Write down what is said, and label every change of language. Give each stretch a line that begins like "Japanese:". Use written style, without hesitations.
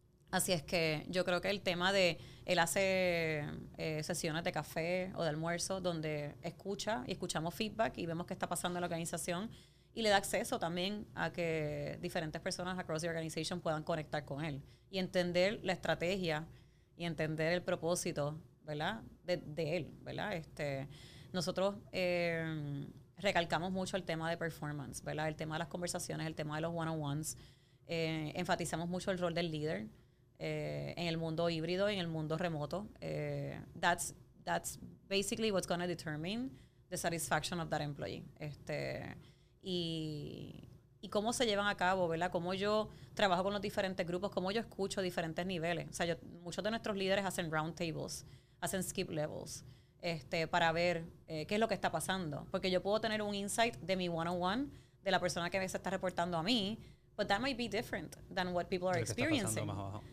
Spanish: Así es que yo creo que el tema de él hace sesiones de café o de almuerzo donde escucha y escuchamos feedback y vemos qué está pasando en la organización y le da acceso también a que diferentes personas
English: across the organization
Spanish: puedan conectar con él y entender la estrategia y entender el propósito, ¿verdad? De él, ¿verdad? Nosotros recalcamos mucho el tema de performance, ¿verdad? El tema de las conversaciones, el tema de los one-on-ones. Enfatizamos mucho el rol del líder en el mundo híbrido y en el mundo remoto.
English: That's basically what's going to determine the satisfaction of that employee.
Spanish: Y cómo se llevan a cabo, ¿verdad? Cómo yo trabajo con los diferentes grupos, cómo yo escucho diferentes niveles. O sea, muchos de nuestros líderes hacen round tables, hacen skip levels, para ver qué es lo que está pasando. Porque yo puedo tener un insight de mi one-on-one, de la persona que se está reportando a mí,
English: but that might be different than what people are experiencing.
Spanish: Claro.